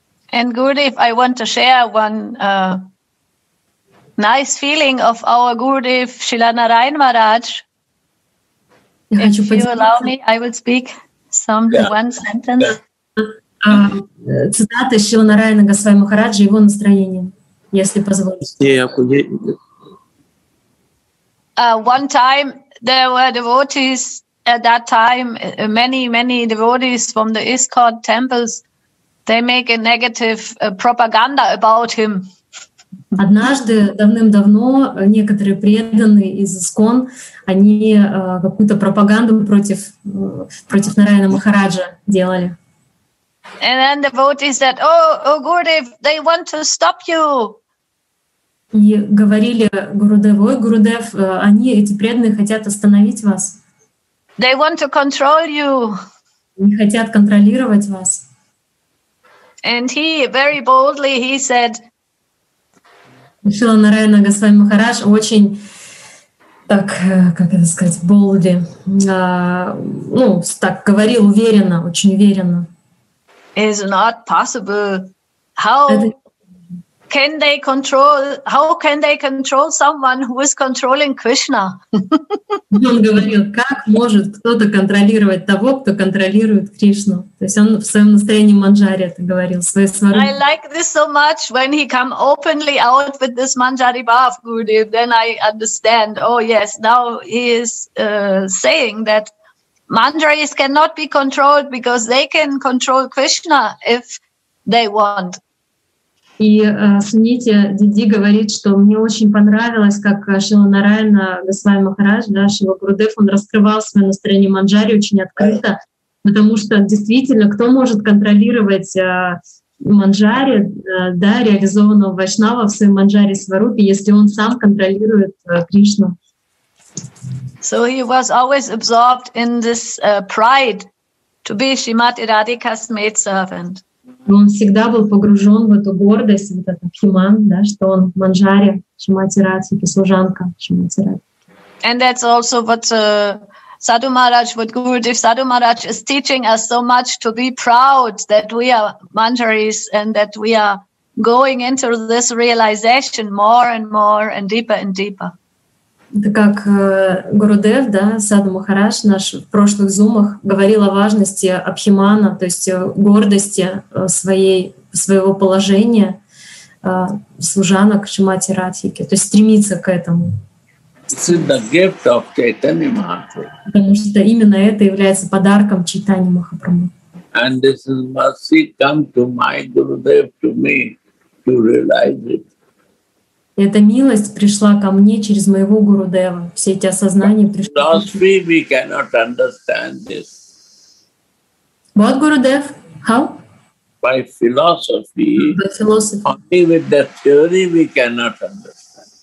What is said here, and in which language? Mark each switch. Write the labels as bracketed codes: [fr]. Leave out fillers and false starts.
[en] And Gurudev, I want to share one nice feeling of our Gurudev Srila Narayan Maharaj. If you allow me, I will speak some one sentence. [ru] Цитата Шрила Нараяна Госвами Махараджа, его настроение, если позволите. [en] One time there were devotees at that time, many devotees from the ISKCON temples. They make a negative propaganda about him. [ru] Однажды давным-давно некоторые преданные из ISKCON они какую-то пропаганду против Нараяна Махараджа делали. [en] And then the devotees said, "Oh, Gurudev, they want to stop you." [ru] И говорили Гурудеву: "Ой, Гурудев, они эти преданные хотят остановить вас." [en] They want to control you. [ru] Они хотят контролировать вас. [en] And he very boldly he said. [ru] Шрила Нараяна Госвами Махарадж очень так, как это сказать, boldly, ну так говорил уверенно, очень уверенно. [en] It's not possible. How can they control? How can they control someone who is controlling Krishna? [ru] Он говорил, как может кто-то контролировать того, кто контролирует Кришну? То есть он в своем настроении манджари это говорил, своей сварой. [en] I like this so much when he come openly out with this manjari bhav, Gurudev. Then I understand. Oh yes, now he is saying that manjaris cannot be controlled because they can control Krishna if they want. [ru] И Сунити Диди говорит, что мне очень понравилось, как Шрила Нараяна Госвами Махарадж, да, Шрила Гурудев, он раскрывал свое настроение манджари очень открыто, потому что действительно, кто может контролировать манджари, да, реализованного вайшнава в своем манджари сварупе, если он сам контролирует Кришну? [en] So he was always absorbed in this pride to be Shrimati Radhika's maid servant. [ru] Он всегда был погружен в эту гордость, в этот абхиман, да, что он манджари, Шримати Радхики, служанка Шримати Радхики. [en] And that's also what Sadhu Maharaj, what Gurudev Sadhu Maharaj is teaching us so much to be proud that we are manjaris and that we are going into this realization more and more and deeper and deeper. [ru] Это как Гурудев, да, Саду Махарадж наш в прошлых зумах говорил о важности абхимана, то есть гордости своей своего положения служанок чи мати Радхики, то есть стремиться к этому. Потому что именно это является подарком Чайтани Махапрабху. [en] And this is mercy come to my Gurudev, to me, to realize it. [ru] Эта милость пришла ко мне через моего Гурудева. Все эти осознания пришли. [en] Philosophy, we cannot understand this. What, Gurudev? How? By philosophy. By philosophy. Only with the theory we cannot understand.